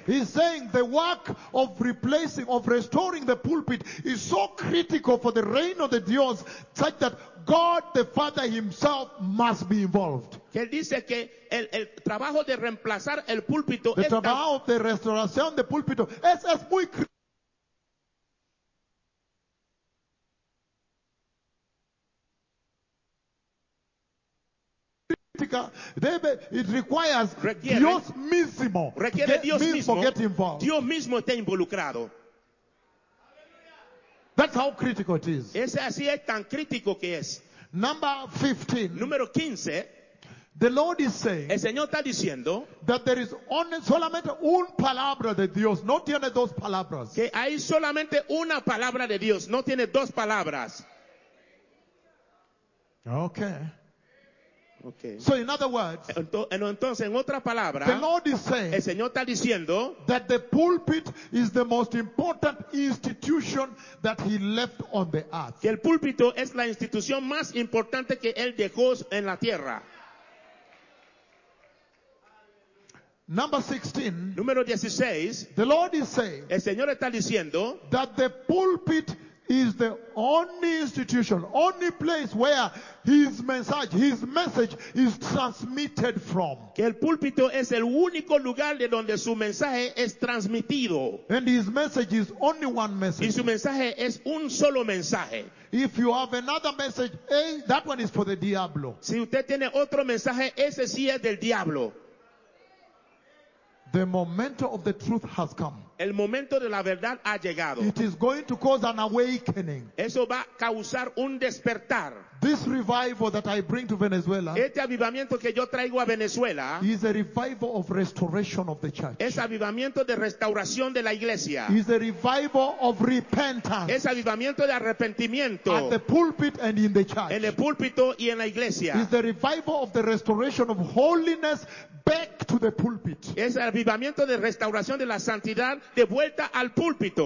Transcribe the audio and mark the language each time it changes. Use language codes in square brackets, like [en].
[en] He's saying the work of replacing, of restoring the pulpit is so critical for the reign of the Dios, such that God the Father himself must be involved. [es] Que dice que el trabajo de reemplazar el púlpito. El trabajo de restauración del púlpito es muy crítico. [en] It requires [es] Dios mismo. Requiere Dios mismo. [en] Get involved. [es] Dios mismo está involucrado. [en] That's how critical it is. [es] Ese así es tan crítico que es. [en] Number 15. [es] Número 15. [en] The Lord is saying, [es] el Señor está diciendo, [en] that there is only [es] solamente un palabra de Dios, no tiene dos palabras. Que hay solamente una palabra de Dios, no tiene dos palabras. [en] Okay. Okay. So in other words, [es] entonces, en otra palabra, [en] the Lord is saying, [es] el Señor está diciendo, [en] that the pulpit is the most important institution that he left on the earth. [es] Que el púlpito es la institución más importante que él dejó en la tierra. [en] Number 16. [es] Número 16. [en] The Lord is saying, [es] el Señor está diciendo, [en] that the pulpit is the only institution, only place where his message is transmitted from. [es] Que el púlpito es el único lugar de donde su mensaje es transmitido. [en] And his message is only one message. [es] Y su mensaje es un solo mensaje. [en] If you have another message, that one is for the [es] diablo. Si usted tiene otro mensaje, ese sí es del diablo. [en] The moment of the truth has come. [es] El momento de la verdad ha llegado. [en] It is going to cause an awakening. [es] Eso va a causar un despertar. [en] This revival that I bring to Venezuela, [es] este avivamiento que yo traigo a Venezuela, [en] is a revival of restoration of the church. [es] Es avivamiento de restauración de la iglesia. [en] Is a revival of repentance. [es] Es avivamiento de arrepentimiento. [en] At the pulpit and in the church. [es] En el púlpito y en la iglesia. [en] Is the revival of the restoration of holiness back to the pulpit. [es] Es el avivamiento de restauración de la santidad de vuelta al púlpito.